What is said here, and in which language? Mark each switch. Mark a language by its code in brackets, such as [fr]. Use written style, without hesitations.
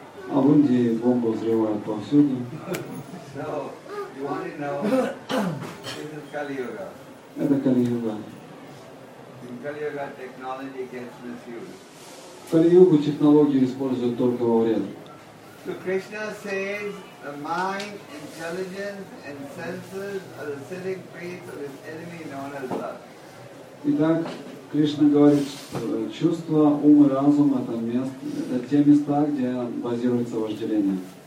[ru] А в Индии бомбы взрывают повсюду. [en] So, you want to know, this is Kali Yuga. [ru] Это Kali Yuga. [en] In Kali Yuga, technology gets misused. [ru] В Kali Yuga технологию используют только во вред. [en] So Krishna says the mind, intelligence and senses are the sitting place of his enemy known as lust. [ru] Итак, Кришна говорит, чувства, ум и разум — это место, это те места, где базируется вожделение.